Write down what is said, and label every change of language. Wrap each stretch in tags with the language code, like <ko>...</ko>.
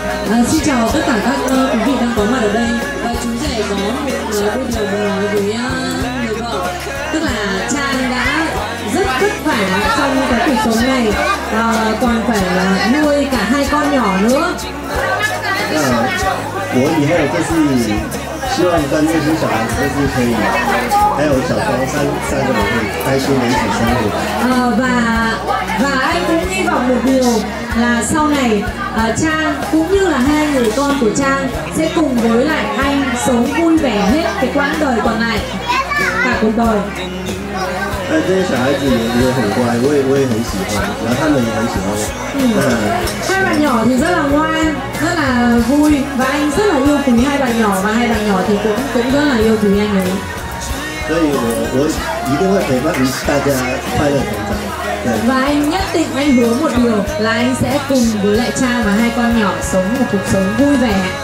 <vi>muốn xin chào tất cả các quý vị đang có mặt ở đây. Chú rể có một lời muốn nói với người vợ, tức là Trang đã rất vất vả trong cái cuộc sống này, còn phải nuôi cả hai con nhỏ nữa.</vi> <zh>我以后就是希望跟这些小孩子就是可以，还有小庄三个人可以开心的一起生活。</zh> <vi>Và anh cũng hy vọng một điều là sau này Trang cũng như là hai người con của Trang sẽ cùng với lại anh sống vui vẻ hết cái quãng đời còn lại, cả cuộc đời.</vi> <zh>这些小孩子也很乖，我也很喜欢，然后他们也很喜欢我。嗯，</zh> <vi>hai bạn nhỏ thì rất là ngoan, rất là vui, và anh rất là yêu quý hai bạn nhỏ, và hai bạn nhỏ thì cũng rất là yêu quý anh ấy.</vi> <zh>所以我一定会陪伴大家快乐成长。</zh> <vi>Và anh nhất định anh hứa một điều là anh sẽ cùng với lại cha và hai con nhỏ sống một cuộc sống vui vẻ.</vi>